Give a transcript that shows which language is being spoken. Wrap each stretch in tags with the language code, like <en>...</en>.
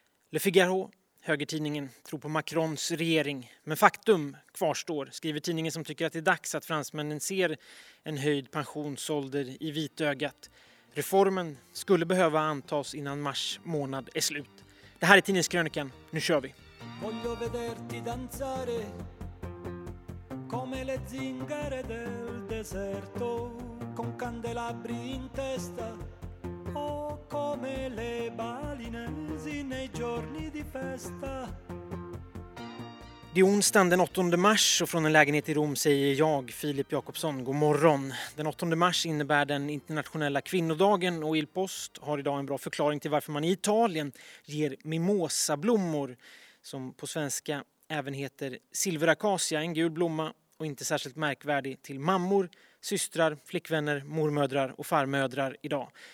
<sv>Le Figaro, högertidningen, tror på Macrons regering. Men faktum kvarstår, skriver tidningen som tycker att det är dags att fransmännen ser en höjd pensionsålder i vitögat. Reformen skulle behöva antas innan mars månad är slut. Det här är Tidningskrönikan, nu kör vi!</sv> <it>Voglio vederti danzare come le zingare del deserto con candelabri in testa o come le balinesi nei giorni di festa.</it> <sv>Det är onsdagen den 8 mars och från en lägenhet i Rom säger jag, Filip Jakobsson, god morgon. Den 8 mars innebär den internationella kvinnodagen och Il Post har idag en bra förklaring till varför man i Italien ger mimosablommor som på svenska även heter silverakasia, en gul blomma och inte särskilt märkvärdig, till mammor, systrar, flickvänner, mormödrar och farmödrar idag.</sv>